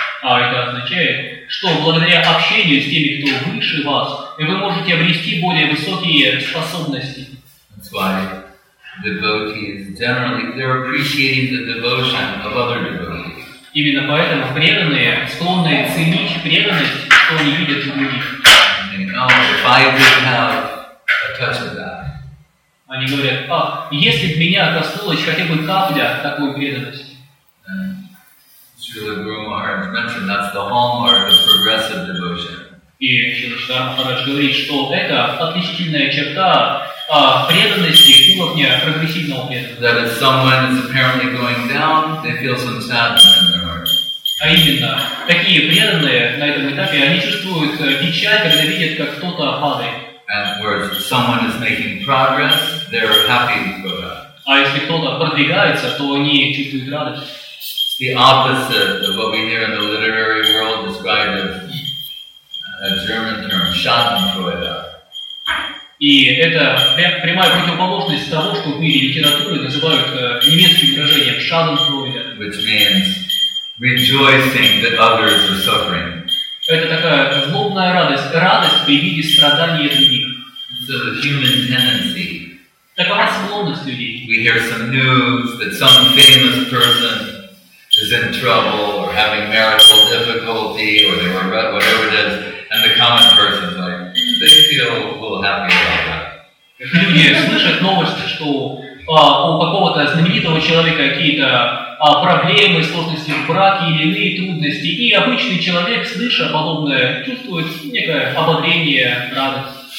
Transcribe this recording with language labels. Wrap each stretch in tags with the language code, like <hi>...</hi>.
<ru>А это означает, что благодаря общению с теми, кто выше вас, вы можете обрести более высокие способности.</ru> <en>That's why devotees generally they're appreciating the devotion of other devotees.</en> <ru>Именно поэтому преданные склонны ценить преданность, что они видят в других.</ru> <en>Oh, if I could have a touch of that.</en> <ru>Они говорят, а если бы меня коснулась хотя бы капля такой преданности.</ru> <en>Srila Guru Maharaj mentioned that's the hallmark of progressive devotion.</en> <ru>И Шрила Чайтанья Махарадж говорит, что это отличительная черта преданности уровня прогрессивного преданности.</ru> <en>That if someone is apparently going down, they feel some sadness in their heart.</en> <ru>А именно, такие преданные на этом этапе, они чувствуют печаль, когда видят, как кто-то падает.</ru> <en>Someone is making progress, they're happy to go down.</en> <ru>А если кто-то продвигается, то они чувствуют радость.</ru> <en>It's the opposite of what we hear in the literary world described as a German term, Schadenfreude.</en> <ru>И это прямая противоположность того, что в мире литературы называют немецким выражением Schadenfreude.</ru> <en>Which means rejoicing that others are suffering.</en> <ru>Это такая злобная радость, радость при виде страдания других.</ru> <en>So the human tendency.</en> <ru>Такова склонность людей.</ru> <en>We hear some news that some famous person is in trouble or having marital difficulty or they were whatever it is, and the common person like they feel a little happy about that.</en> <ru>Люди слышат новости, что у какого-то знаменитого человека какие-то проблемы, сложности в браке или иные трудности. И обычный человек, слыша подобное, чувствует некое ободрение, радость.</ru>